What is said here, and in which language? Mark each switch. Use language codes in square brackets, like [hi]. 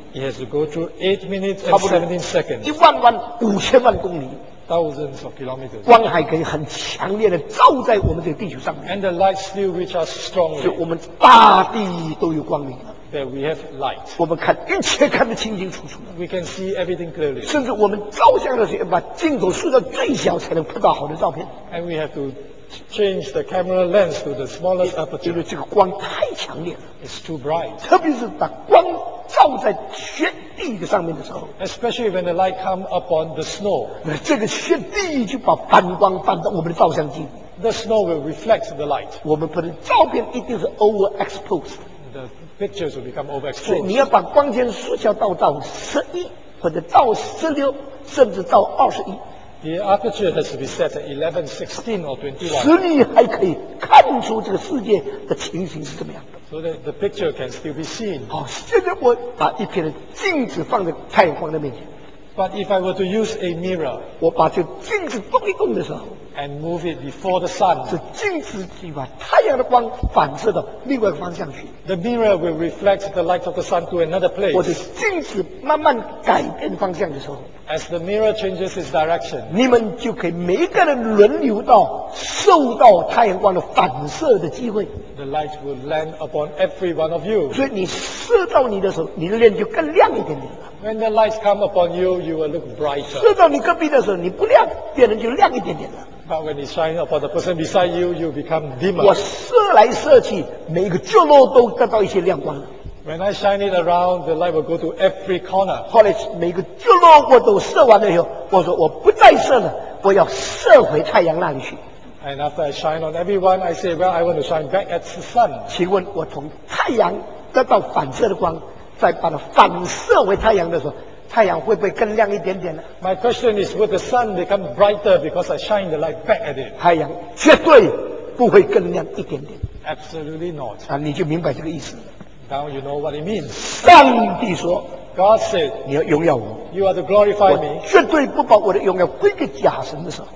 [en] It has to go through 8 minutes and 17 seconds. [zh] 一万万五千万公里。 [en] Thousands of kilometers. [zh] 光还可以很强烈的照在我们这个地球上面。 [en] And the light still reaches us strongly. [zh] 就我们大地都有光明。 [en] That we have light. [zh] 我们看一切看得清清楚楚。 [en] We can see everything clearly. [zh] 甚至我们照相的时候，把镜头缩到最小，才能拍到好的照片。 [en] And we have to change the camera lens to the smallest aperture. [zh] 因为这个光太强烈了。 [en] It's too bright. [zh] 特别是把光照在雪地的上面的时候， [en] Especially when the light come upon the snow, [zh] 这个雪地就把反光反到我们的照相机。 [en] The snow will reflect the light. [zh] 我们本来照片一定是 overexposed. [en] The pictures will become overexposed. [zh] 你要把光圈缩小到11或者到16甚至到21。 [en] The aperture has to be set at 11, 16 or 21. [zh] 使你还可以看出这个世界的情形是怎么样的。 [en] So that the picture can still be seen. [zh] 好，现在我把一片镜子放在太阳光的面前。 [en] But if I were to use a mirror, [zh] 我把这镜子动一动的时候， [en] and move it before the sun, [zh] 这镜子就把太阳的光反射到另外一个方向去。 [en] The mirror will reflect the light of the sun to another place. [zh] 我的镜子慢慢改变方向的时候， [en] as the mirror changes its direction, [zh] 你们就可以每一个人轮流到受到太阳光的反射的机会。 [en] The light will land upon every one of you. [zh] 所以你射到你的时候，你的脸就更亮一点点。 [en] When the light come upon you, you will look brighter. [zh] 射到你隔壁的时候，你不亮，别人就亮一点点了。 [en] But when it shines upon the person beside you, you become dimmer. [zh] 我射来射去，每一个角落都得到一些亮光。 [en] When I shine it around, the light will go to every corner. [zh] 后来每个角落我都射完了以后，我说我不再射了，我要射回太阳那里去。 [en] And after I shine on everyone, I say, well, I want to shine back at the sun. [zh] 请问我从太阳得到反射的光，再把它反射回太阳的时候，太阳会不会更亮一点点呢？ [en] My question is, would the sun become brighter because I shine the light back at it? [zh] 太阳绝对不会更亮一点点。 [en] Absolutely not. [zh] 啊，你就明白这个意思。 [en] Now you know what it means. [zh] 上帝说， [en] God said, [zh] 你要荣耀我。 [en] You are to glorify me. [zh] 我绝对不把我的荣耀归给假神的时候，